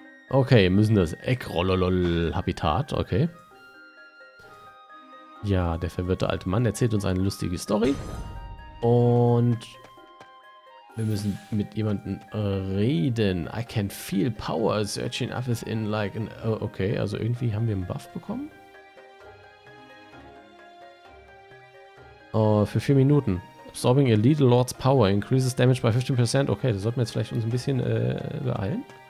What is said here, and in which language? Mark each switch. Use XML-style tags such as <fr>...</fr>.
<de>Okay, müssen das Eckrollololl-Habitat, okay. Ja, der verwirrte alte Mann erzählt uns eine lustige Story. Und Wir müssen mit jemandem reden.</de> <en>I can feel power searching up within like an...</en> <de>Okay, also irgendwie haben wir einen Buff bekommen. Oh, für 4 Minuten.</de> <en>Absorbing a Lethal Lord's Power increases damage by 15%.</en> <de>Okay, da sollten wir jetzt vielleicht uns ein bisschen beeilen.</de>